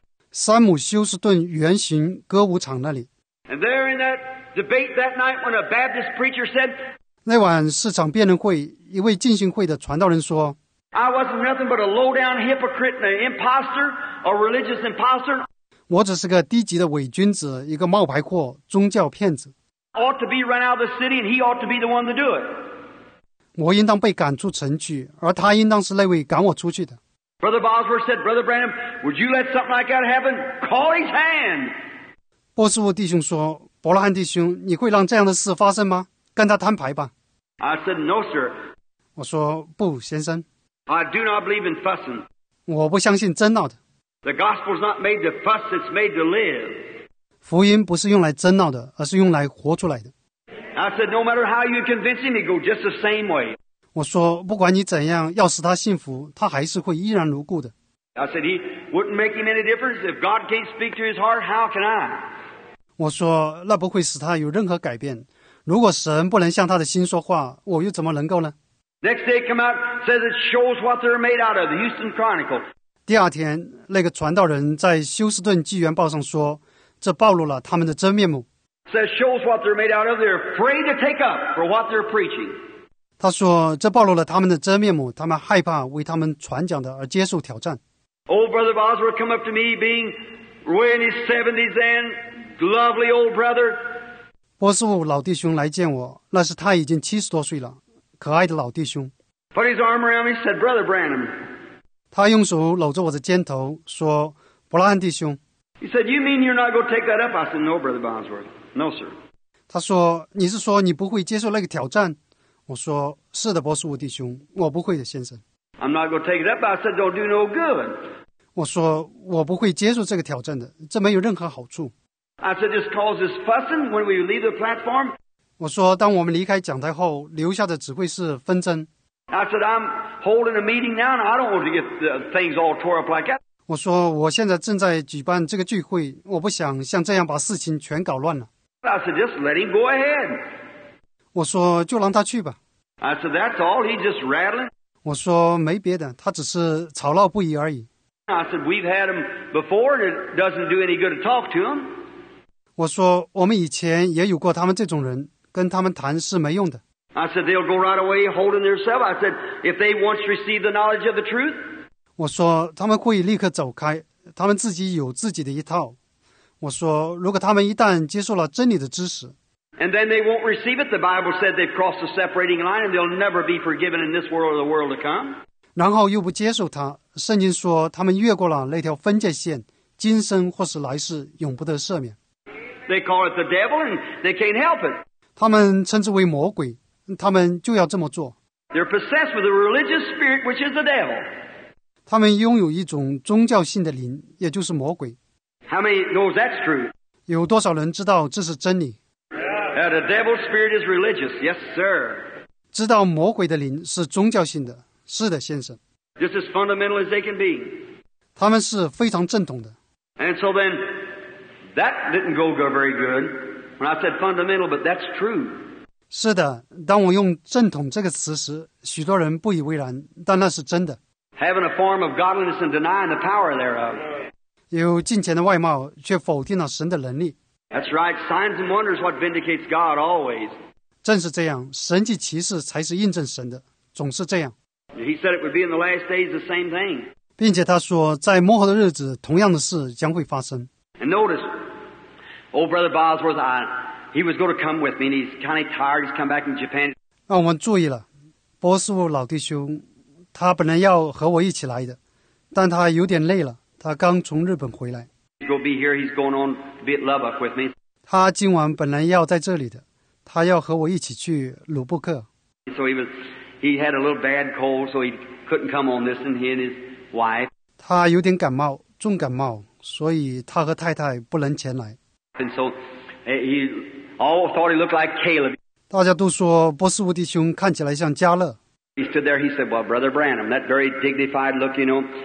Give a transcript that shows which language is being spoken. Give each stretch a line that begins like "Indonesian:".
Chinese: 山姆休斯顿圆形歌舞场那里。
English: And there in that debate that night when a Baptist preacher said.
Chinese: 那晚市场辩论会，一位浸信会的传道人说
English: I wasn't nothing but a low down hypocrite and an imposter, a religious imposter.
Chinese: 我只是个低级的伪君子，一个冒牌货，宗教骗子。
English: Ought to be run out of the city and he ought to be the one to do it.
Chinese: 我应当被赶出城去，而他应当是那位赶我出去的。
English: Brother Bosworth said, Brother Branham, would you let something like that happen? Call his hand.
Chinese: 波斯沃弟兄说，伯拉罕弟兄，你会让这样的事发生吗？跟他摊牌吧。
English: I said, no, sir.
Chinese: 我说不，先生。
English: I do not believe in fussing.
Chinese: 我不相信争闹的。
English: The gospel is not made to fuss, it's made to live.
Chinese: 福音不是用来争闹的，而是用来活出来的。
English: I said, no matter how you convince him, he goes just the same way.
Chinese: 我说不管你怎样要使他信服，他还是会依然如故的。
English: I said, he wouldn't make him any difference. If God can't speak to his heart, how can I?
Chinese: 我说那不会使他有任何改变。如果神不能向他的心说话，我又怎么能够呢？
English: Next day come out, says it shows what they're made out of, the Houston Chronicle.
Chinese: 第二天，那个传道人在休斯顿纪元报上说，这暴露了他们的真面目。
English: Says shows what they're made out of, they're afraid to take up for what they're preaching.
Chinese: 他说，这暴露了他们的真面目，他们害怕为他们传讲的而接受挑战。
English: Old Brother Bosworth come up to me, being way in his 70s then, lovely old brother.
Chinese: 波斯沃老弟兄来见我，那是他已经七十多岁了，可爱的老弟兄。
English: Put his arm around me, said Brother Branham.
Chinese: 他用手搂着我的肩头说，伯拉罕弟兄。
English: He said, you mean you're not going to take that up? I said, no, Brother Bosworth. No, sir.
Chinese: 他说，你是说你不会接受那个挑战？我说，是的，波斯沃弟兄，我不会的，先生。
English: I'm not going to take it up. I said, don't do no good.
Chinese: 我说，我不会接受这个挑战的，这没有任何好处。
English: I said, this causes fussing when we leave the platform.
Chinese: 我说，当我们离开讲台后，留下的只会是纷争。
English: I said, I'm holding a meeting now and I don't want to get the things all tore up like that.
Chinese: 我说，我现在正在举办这个聚会，我不想像这样把事情全搞乱了。
English: I said, just let him go ahead.
Chinese: 我说，就让他去吧。
English: I said, that's all, he's just rattling.
Chinese: 我说，没别的，他只是吵闹不已而已。
English: I said, we've had him before and it doesn't do any good to talk to him.
Chinese: 我说，我们以前也有过他们这种人，跟他们谈是没用的。
English: I said, they'll go right away holding themselves. I said, if they once receive the knowledge of the truth.
Chinese: 我说他们会立刻走开，他们自己有自己的一套。我说如果他们一旦接受了真理的知识。
English: And then they won't receive it. The Bible said they've crossed the separating line and they'll never be forgiven in this world or the world to come.
Chinese: 然后又不接受他，圣经说他们越过了那条分界线，今生或是来世永不得赦免。
English: They call it the devil and they can't help it.
Chinese: 他们称之为魔鬼。他们就要这么做。
English: They're possessed with a religious spirit, which is the devil.
Chinese: 他们拥有一种宗教性的灵，也就是魔鬼。
English: How many knows that's true?
Chinese: 有多少人知道这是真理？
English: Yeah, the devil's spirit is religious, yes, sir.
Chinese: 知道魔鬼的灵是宗教性的，是的，先生。
English: Just as fundamental as they can be.
Chinese: 他们是非常正统的。
English: And so then, that didn't go very good. When I said fundamental, but that's true.
Chinese: 是的，当我用正统这个词时，许多人不以为然，但那是真的。
English: Having a form of godliness and denying the power thereof.
Chinese: 有金钱的外貌，却否定了神的能力。
English: That's right, signs and wonders what vindicates God always.
Chinese: 正是这样，神迹奇事才是印证神的，总是这样。
English: He said it would be in the last days the same thing.
Chinese: 并且他说，在末后的日子，同样的事将会发生。
English: And notice, old brother Bosworth, He was going to come with me, and he's kind of tired. He's come back from Japan.
Chinese: 那我们注意了，波斯沃老弟兄，他本来要和我一起来的，但他有点累了。他刚从日本回来。
English: He's going to be here. He's going on to be at Lubbock with me.
Chinese: 他今晚本来要在这里的，他要和我一起去鲁布克。
English: So he had a little bad cold, so he couldn't come on this, and he and his wife.
Chinese: 他有点感冒，重感冒，所以他和太太不能前来。
English: And so. He all thought he looked like Caleb.
Chinese: 大家都说波斯沃弟兄看起来像加勒。
English: He stood there. He said, "Well, Brother Branham, that very dignified look, you know."